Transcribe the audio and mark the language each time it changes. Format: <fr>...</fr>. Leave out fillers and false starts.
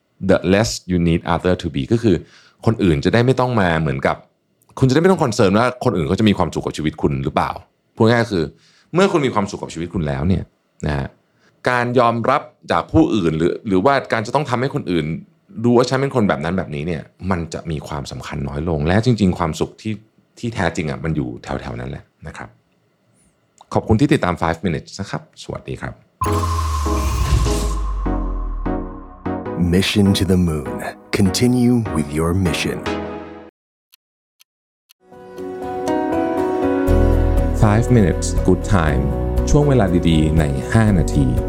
<en>the less you need other to be</en> <th>ก็คือคนอื่นจะได้ไม่ต้องมาเหมือนกับคุณจะได้ไม่ต้องคอนเซิร์นว่าคนอื่นเขาจะมีความสุขกับชีวิตคุณหรือเปล่าพูดง่ายๆคือเมื่อคุณมีความสุขกับชีวิตคุณแล้วเนี่ยนะฮะการยอมรับจากผู้อื่นหรือว่าการจะต้องทำให้คนอื่นดูว่าฉันเป็นคนแบบนั้นแบบนี้เนี่ยมันจะมีความสำคัญน้อยลงและจริงๆความสุขที่แท้จริงอ่ะมันอยู่แถวๆนั้นแหละนะครับขอบคุณที่ติดตาม5 minutes นะครับสวัสดีครับ</th> <en>Mission to the Moon Continue with your mission five minutes good time</en> <th>ช่วงเวลาดีๆใน5 นาที</th>